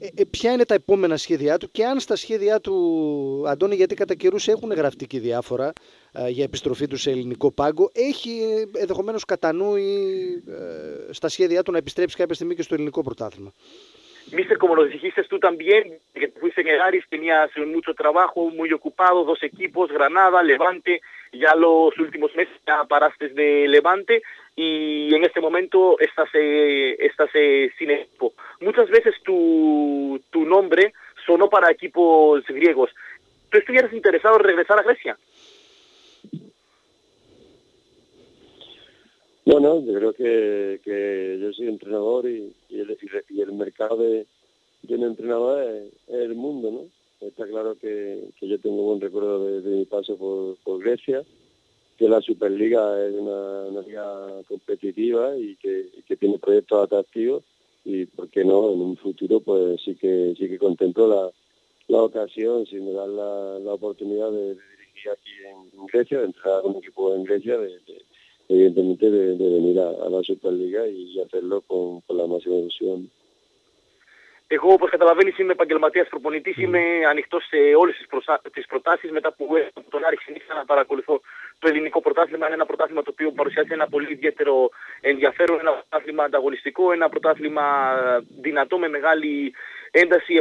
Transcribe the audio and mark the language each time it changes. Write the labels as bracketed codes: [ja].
[el] Ποια είναι τα επόμενα σχέδιά του και αν στα σχέδιά του, Αντώνη, γιατί κατά καιρούς έχουν γραφτεί και διάφορα για επιστροφή του σε ελληνικό πάγκο, έχει ενδεχομένως κατά νου ή στα σχέδιά του να επιστρέψει κάποια στιγμή και στο ελληνικό πρωτάθλημα? [es] Mister, como lo dijiste tú también, que fuiste en el Aris, tenías mucho trabajo, muy ocupado, dos equipos, Granada, Levante, ya los últimos meses ya paraste de Levante y en este momento estás sin equipo. Muchas veces tu nombre sonó para equipos griegos. ¿Tú estuvieras interesado en regresar a Grecia? Bueno, yo creo que yo soy entrenador y el mercado de un entrenador es el mundo, ¿no? Está claro que yo tengo buen recuerdo de mi paso por Grecia, que la Superliga es una liga competitiva y que tiene proyectos atractivos y, ¿por qué no? En un futuro pues sí que contemplo la ocasión, si me dan la oportunidad de dirigir aquí en Grecia, de entrenar un equipo en Grecia, evidentemente de venir a la Superliga y hacerlo con la máxima ilusión. [el] Εγώ, όπως καταλαβαίνεις, είμαι επαγγελματίας προπονητής, είμαι ανοιχτός σε όλες τις προτάσεις. Μετά που τον Άρη ξεκίνησα να παρακολουθώ το ελληνικό πρωτάθλημα, είναι ένα πρωτάθλημα το οποίο παρουσιάζει ένα πολύ ιδιαίτερο ενδιαφέρον, ένα πρωτάθλημα ανταγωνιστικό, ένα πρωτάθλημα δυνατό με μεγάλη ένταση.